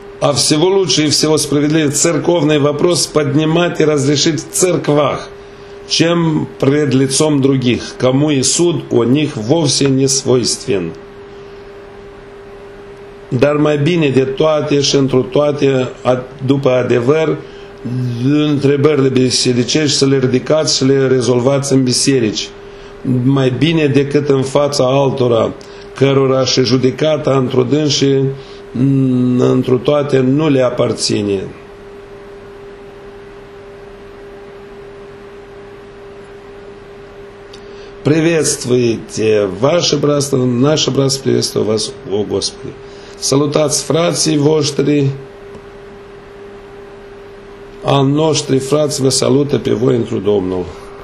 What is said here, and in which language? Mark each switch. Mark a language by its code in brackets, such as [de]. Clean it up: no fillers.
[ru] А всего лучше и всего справедливее церковный вопрос поднимать и разрешить в церквах, чем пред лицом других, кому и суд у них вовсе не свойствен. [ro] Dar mai bine de toate și întru toate, după adevăr, întrebările bisericești să le ridicați și le rezolvați în biserici. Mai bine decât în fața altora, cărora și judecata întru dânsii, întru toate, nu le aparține. [ru] Приветствуйте ваше братство, наше братство приветствует вас, о Господи. [ro] Salutați frații voștri, a noștri frați vă salută pe voi întru Domnul.